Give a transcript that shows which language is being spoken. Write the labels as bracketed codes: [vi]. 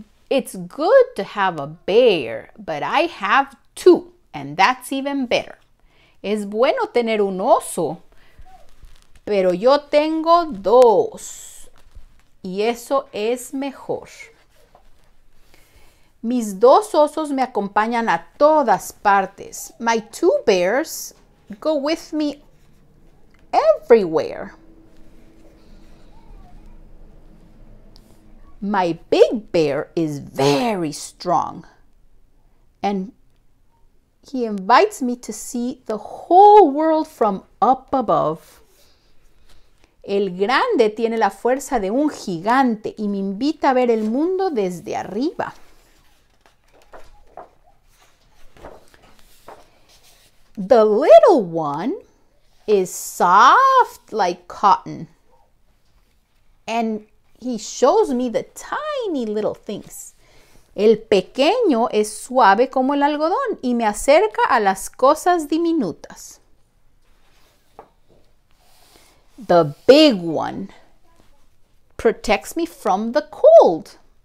[en] It's good to have a bear, but I have two, and that's even better. [es] Es bueno tener un oso, pero yo tengo dos, y eso es mejor. Mis dos osos me acompañan a todas partes. [en] My two bears go with me everywhere. My big bear is very strong, and he invites me to see the whole world from up above. [es] El grande tiene la fuerza de un gigante y me invita a ver el mundo desde arriba. [en] The little one is soft like cotton, and he shows me the tiny little things. [es] El pequeño es suave como el algodón y me acerca a las cosas diminutas. [en] The big one protects me from the cold.